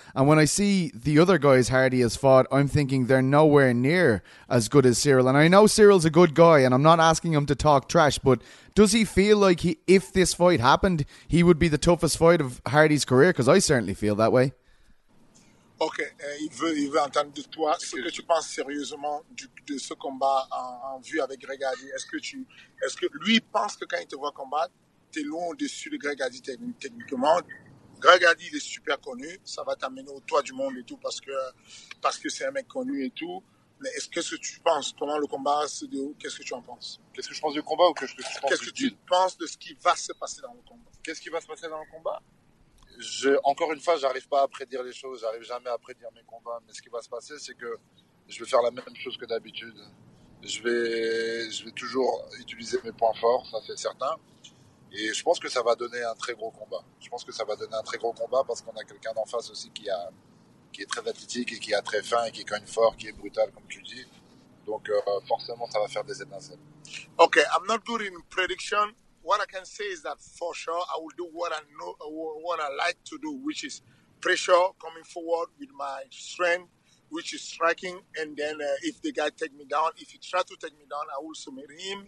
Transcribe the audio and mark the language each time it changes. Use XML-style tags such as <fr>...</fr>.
<en>And when I see the other guys Hardy has fought, I'm thinking they're nowhere near as good as Cyril. And I know Cyril's a good guy, and I'm not asking him to talk trash, but does he feel like if this fight happened, he would be the toughest fight of Hardy's career? Because I certainly feel that way.</en> <fr>Ok, il veut entendre de toi ce que tu penses sérieusement de ce combat en vue avec Greg Hardy. Est-ce que lui pense que quand il te voit combattre, t'es loin au-dessus de Greg Hardy techniquement. Greg Hardy, il est super connu, ça va t'amener au toit du monde et tout parce que c'est un mec connu et tout. Mais qu'est-ce que tu penses? Comment le combat se déroule? Qu'est-ce que tu en penses? Qu'est-ce que je pense du combat ou qu'est-ce que tu penses de ce qui va se passer dans le combat? Qu'est-ce qui va se passer dans le combat? Encore une fois, j'arrive pas à prédire les choses, j'arrive jamais à prédire mes combats. Mais ce qui va se passer, c'est que je vais faire la même chose que d'habitude. Je vais toujours utiliser mes points forts, ça c'est certain. Et je pense que ça va donner un très gros combat. Je pense que ça va donner un très gros combat parce qu'on a quelqu'un d'en face aussi qui est très athlétique et qui a très faim et qui cogne fort, qui est brutal, comme tu dis. Donc forcément, ça va faire des étincelles.</fr> <en>Okay, I'm not good in prediction. What I can say is that for sure I will do what I know, what I like to do, which is pressure coming forward with my strength, which is striking. And then if the guy take me down, if he try to take me down, I will submit him.</en>